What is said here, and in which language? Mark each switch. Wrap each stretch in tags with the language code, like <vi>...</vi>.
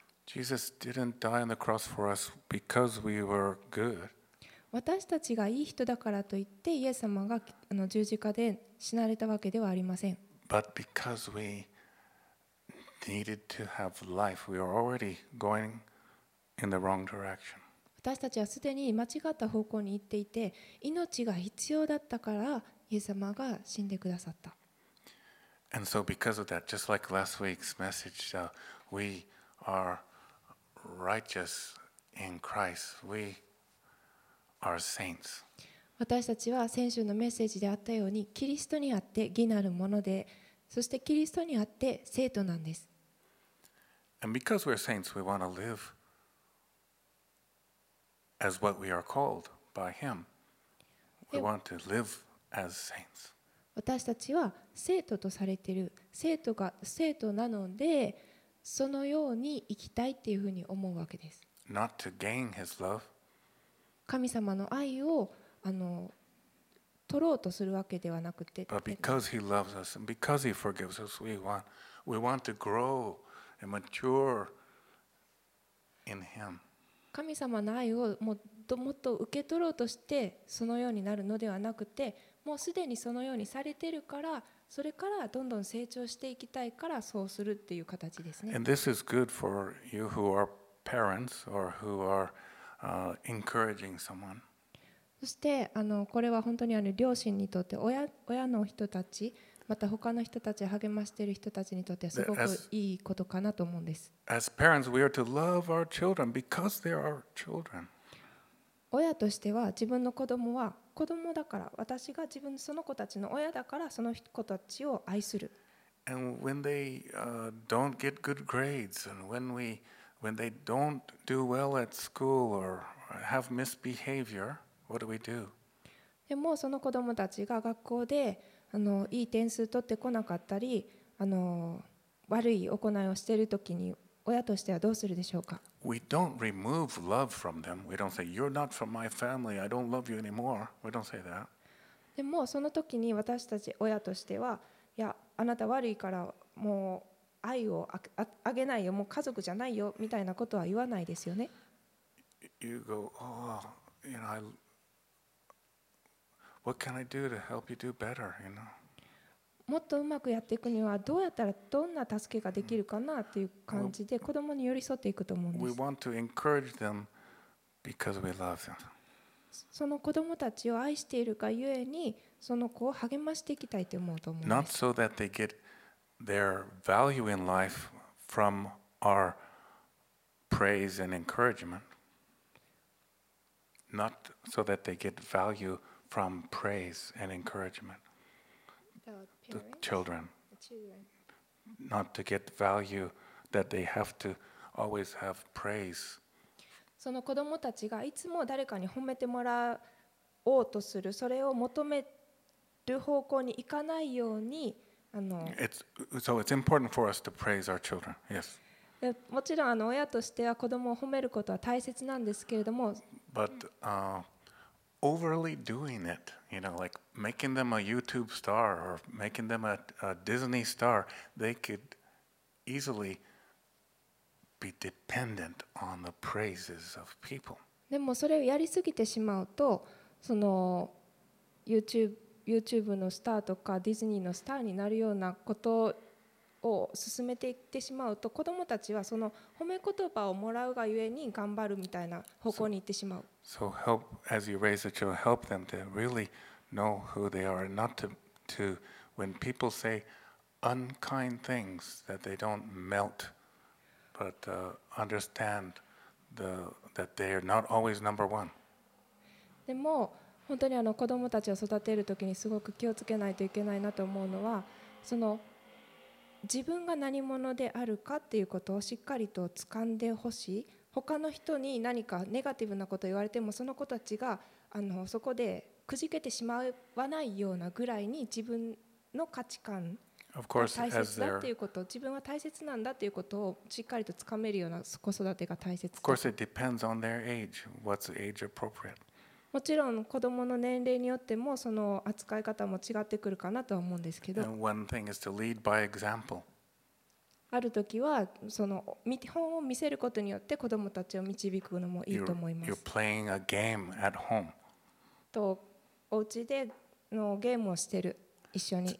<en>Jesus didn't die on the cross for us because we were good.</en> <ja>私たちがいい人だからといって、イエス様が十字架で死なれたわけではありません。</ja> <en>But because we needed to have life, we were already going in the wrong direction.</en> <ja>私たちはすでに間違った方向に行っていて、命が必要だったからイエス様が死んでくださった。</ja> <en>And so because of that, just like last week's message, we are righteous in Christ. We are saints.</en> <ja>私たちは先週のメッセージであったように、キリストにあって義なるもので、そしてキリストにあって聖徒なんです。</ja> <en>And because we're saints, we want to live. As what we are called by Him, we want to live as saints.</en> <ja>私たちは聖徒とされている聖徒が聖徒なので、そのように生きたいっていうふうに思うわけです。</ja> <en>Not to gain His love.</en> <ja>神様の愛を取ろうとするわけではなくて、</ja> <en>But because He loves us and because He forgives us, we want to grow and mature in Him.</en> <ja>神様の愛をもっと受け取ろうとしてそのようになるのではなくて、もうすでにそのようにされているから、それからどんどん成長していきたいからそうするっていう形ですね。</ja> <en>And this is good for you who are parents or who are encouraging someone.</en> <ja>そしてこれは本当に両親にとって親の人たち、また他の人たちを励ましている人たちにとってはすごくいいことかなと思うんです。</ja> <en>As parents, we are to love our children because they are children.</en> <ja>親としては自分の子供は子供だから、私が自分その子たちの親だからその子たちを愛する。</ja> <en>And when they don't get good grades, and when they don't do well at school or have misbehavior, what do we do?</en> <ja>でもその子供たちが学校でいい点数取ってこなかったり悪い行いをしているときに親としてはどうするでしょうか。</ja> <en>We don't remove love from them. We don't say, "You're not from my family. I don't love you anymore." We don't say that.</en> <ja>でもその時に私たち親としては、いや、あなた悪いからもう愛をあげないよ、もう家族じゃないよみたいなことは言わないですよね。</ja> <en>You go, oh, you know, What can I do to help you do better? You know.</en> <ja>もっとうまくやっていくにはどうやったらどんな助けができるかなという感じで子どもに寄り添っていくと思うんです。</ja> <en>We want to encourage them because we love them.</en> <ja>その子どもたちを愛しているがゆえにその子を励ましていきたいと思うと思うんです。</ja> <en>Not so that they get their value in life from our praise and encouragement. Not so that they get value from praise and encouragement. The children, not to get value that they have to always have praise.</en> <ja>その子供たちがいつも誰かに褒めてもらおうとする、それを求める方向に行かないように、</ja> <en>It's important for us to praise our children. Yes.</en> <ja>もちろん親としては子供を褒めることは大切なんですけれども、</ja> <en>But overly doing it. You know, like making them a YouTube star or making them a Disney star, they could easily be dependent on the praises of people.</en> <ja>でもそれをやりすぎてしまうと、その YouTube のスターとかディズニーのスターになるようなことを進めていってしまうと、子どもたちはその褒め言葉をもらうがゆえに頑張るみたいな方向に行ってしまう。</ja> <en>So help as you raise the children, help them to really know who they are, not to when people say unkind things that they don't melt, but understand that they are not always number one.</en> <ja>でも本当に子どもたちを育てるときにすごく気をつけないといけないなと思うのは、その自分が何者であるかっていうことをしっかりと掴んでほしい。他の人に何かネガティブなことを言われても、その子たちがそこでくじけてしまわないようなぐらいに自分の価値観が大切だということ、自分は大切なんだということをしっかりと掴めるような子育てが大切。</ja> <en>Of course, it depends on their age. What's age appropriate?</en> <ja>もちろん子どもの年齢によってもその扱い方も違ってくるかなとは思うんですけど。</ja> <en>And one thing is to lead by example.</en> <ja>あるときはその見本を見せることによって子どもたちを導くのもいいと思います。</ja> <en>You're playing a game at home.</en> <ja>とお家でのゲームをしている、一緒に。</ja>